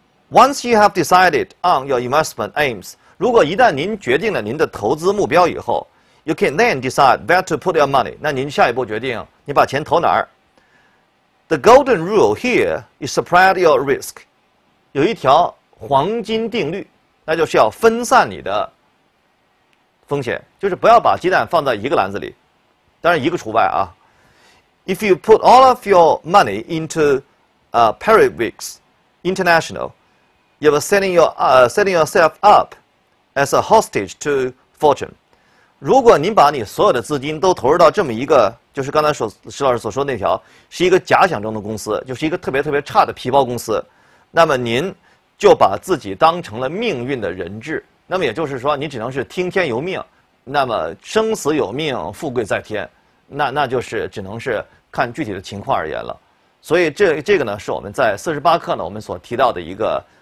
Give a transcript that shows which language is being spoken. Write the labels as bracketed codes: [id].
[en] Once you have decided on your investment aims， [zh] 如果一旦您决定了您的投资目标以后 [en] ，you can then decide where to put your money。 [zh] 那您下一步决定你把钱投哪儿 [en] ？The golden rule here is spread your risk。 [zh] 有一条黄金定律，那就是要分散你的风险，就是不要把鸡蛋放在一个篮子里。当然一个除外啊 [en] ，If you put all of your money into Perivix International， you are setting yourself up as a hostage to fortune。 [zh] 如果您把你所有的资金都投入到这么一个，就是刚才石老师所说的那条，是一个假想中的公司，就是一个特别特别差的皮包公司，那么您就把自己当成了命运的人质。那么也就是说，你只能是听天由命。那么生死有命，富贵在天，那就是只能是看具体的情况而言了。所以这个呢，是我们在48课呢我们所提到的一个